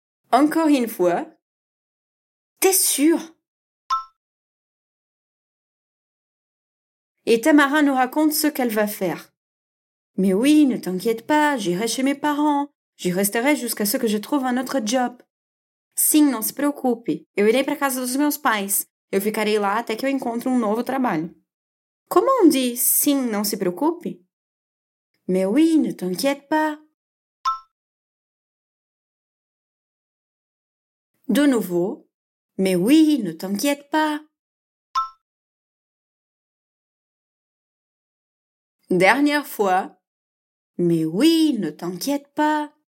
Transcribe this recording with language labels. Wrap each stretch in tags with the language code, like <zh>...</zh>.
<fr>Encore une fois. T'es sûr? Et Tamara nous raconte ce qu'elle va faire. « Mais oui, ne t'inquiète pas, j'irai chez mes parents. J'y resterai jusqu'à ce que je trouve un autre job. »«</fr> <pt>Sim, não se preocupe. Eu irei para casa dos meus pais. Eu ficarei lá até que eu encontre um novo trabalho. »</pt> <fr>Comment on dit «</fr> <pt>sim, não se preocupe »?</pt> <fr>« Mais oui, ne t'inquiète pas. » De nouveau, « mais oui, ne t'inquiète pas. » Dernière fois, mais oui, ne t'inquiète pas.</fr>